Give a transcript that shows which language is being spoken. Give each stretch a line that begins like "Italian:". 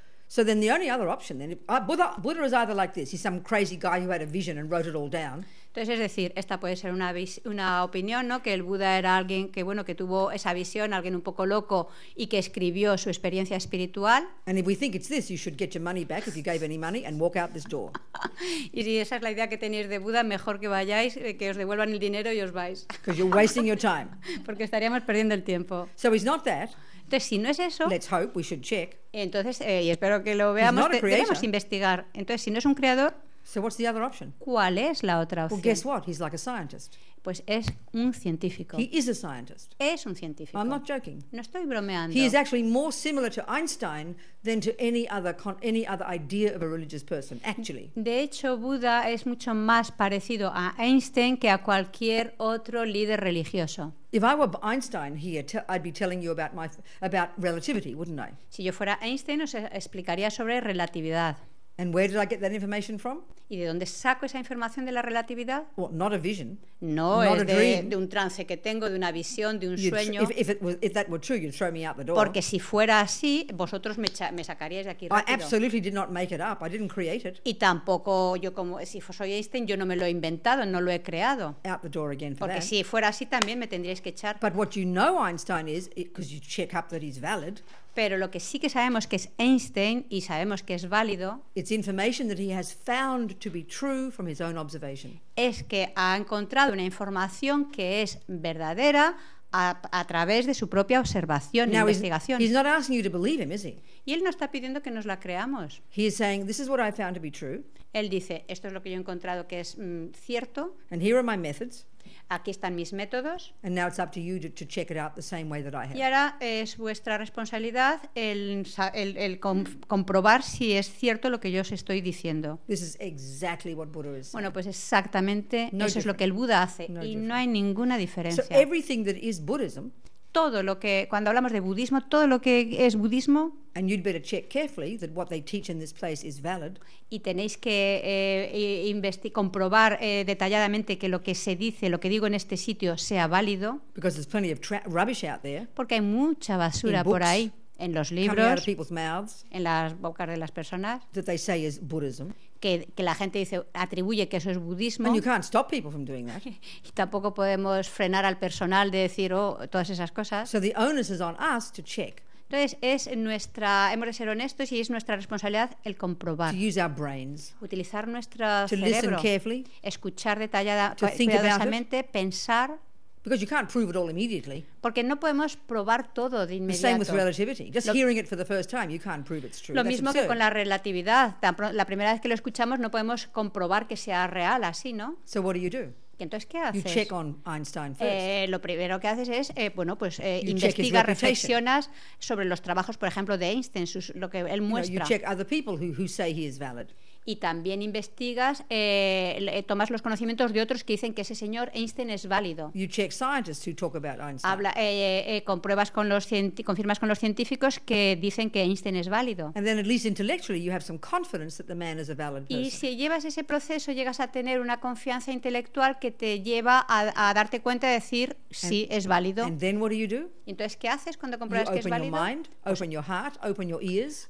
English: So then the only other option, then, Buddha is either like this, he's some crazy guy who had a vision and wrote it all down.
Spanish: Entonces, es decir, esta puede ser una opinión, ¿no? Que el Buda era alguien que, bueno, que tuvo esa visión, alguien un poco loco y que escribió su experiencia espiritual.
English: And if we think it's this, you should get your money back if you gave any money and walk out this door.
Spanish: Y si esa es la idea que tenéis de Buda, mejor que vayáis, que os devuelvan el dinero y os vais.
English: Because you're wasting your time.
Spanish: Porque estaríamos perdiendo el tiempo.
English: So he's not that.
Spanish: Entonces, si no es eso,
English: let's hope we should check.
Spanish: Entonces, y espero que lo veamos, debemos investigar. Entonces, si no es un creador,
English: so what's the other option?
Spanish: ¿Cuál es la otra opción?
English: Well, guess what? He's like a scientist.
Spanish: Pues es un científico.
English: He is a scientist.
Spanish: Es un científico.
English: I'm not joking.
Spanish: No estoy bromeando.
English: He is actually more similar to Einstein than to any other idea of a religious person, actually.
Spanish: De hecho, Buda es mucho más parecido a Einstein que a cualquier otro líder religioso.
English: If I were Einstein here, I'd be telling you about relativity, wouldn't I?
Spanish: Si yo fuera Einstein, os explicaría sobre relatividad.
English: And where did I get that information from?
Spanish: ¿Y de dónde saco esa información de la relatividad?
English: Well, not a vision. No, not
Spanish: es
English: a dream.
Spanish: De un trance que tengo, de una visión, de un sueño.
English: If that were true, you'd throw me out the door.
Spanish: Porque si fuera así, vosotros me sacaríais de aquí rápido.
English: I absolutely did not make it up. I didn't create it.
Spanish: Y tampoco yo, como si soy Einstein, yo no me lo he inventado, no lo he creado.
English: Out the door again for
Spanish: Porque
English: that.
Spanish: Si fuera así también me tendríais que echar.
English: But what you know Einstein is, because you check up that he's valid.
Spanish: Pero lo que sí que sabemos que es Einstein y sabemos que es válido,
English: it's information that he has found to be true from his own observation.
Spanish: Es que ha encontrado una información que es verdadera a través de su propia observación e investigación.
English: He's not asking you to believe him, is he?
Spanish: Y él no está pidiendo que nos la creamos.
English: He is saying, this is what I found to be true.
Spanish: Él dice, esto es lo que yo he encontrado que es cierto.
English: And here are my methods.
Spanish: Aquí están mis métodos.
English: And now it's up to you to check it out the same way that I have.
Spanish: Y ahora es vuestra responsabilidad el comprobar si es cierto lo que yo os estoy diciendo.
English: This is exactly what Buddha is.
Spanish: Bueno, pues exactamente no eso
English: difference.
Spanish: Es lo que el Buda hace no y
English: difference.
Spanish: No hay ninguna diferencia.
English: So everything that is Buddhism,
Spanish: todo lo que cuando hablamos de budismo, todo lo que es budismo,
English: and you'd better check carefully that what they teach in this place is valid.
Spanish: Y tenéis que comprobar detalladamente que lo que se dice, lo que digo en este sitio sea válido.
English: Because there's plenty of rubbish out there.
Spanish: Porque hay mucha basura
English: in books,
Spanish: por ahí en los libros,
English: coming out of people's mouths,
Spanish: en las bocas de las personas,
English: that they say is Buddhism.
Spanish: Que la gente dice, atribuye que eso es budismo.
English: And you can't stop people from doing that.
Spanish: Y tampoco podemos frenar al personal de decir todas esas cosas.
English: So the onus is on us to check.
Spanish: Entonces es nuestra, hemos de ser honestos y es nuestra responsabilidad el comprobar.
English: To use our brains,
Spanish: utilizar nuestro
English: to
Spanish: cerebro,
English: carefully,
Spanish: escuchar cuidadosamente, pensar.
English: Because you can't prove it all immediately.
Spanish: Porque no podemos probar todo de inmediato.
English: The same with relativity. Just hearing it for the first time, you can't prove it's true.
Spanish: Lo mismo que con la relatividad. La primera vez que lo escuchamos no podemos comprobar que sea real así, ¿no?
English: So what do you do?
Spanish: Entonces, ¿qué haces?
English: You check on Einstein first.
Spanish: Lo primero que haces es, investiga, reflexionas sobre los trabajos, por ejemplo, de Einstein, lo que él muestra.
English: You check other people who say he is valid.
Spanish: Y también investigas, tomas los conocimientos de otros que dicen que ese señor Einstein es válido.
English: You check scientists who talk about Einstein.
Spanish: Compruebas confirmas con los científicos que dicen que Einstein es válido.
English: And then at least intellectually you have some confidence that the man is a valid person.
Spanish: Y si llevas ese proceso llegas a tener una confianza intelectual que te lleva a darte cuenta de decir sí, es válido.
English: And then what do you do?
Spanish: Entonces, ¿qué haces cuando compruebas que es válido?
English: You open your mind, open your heart, open your ears.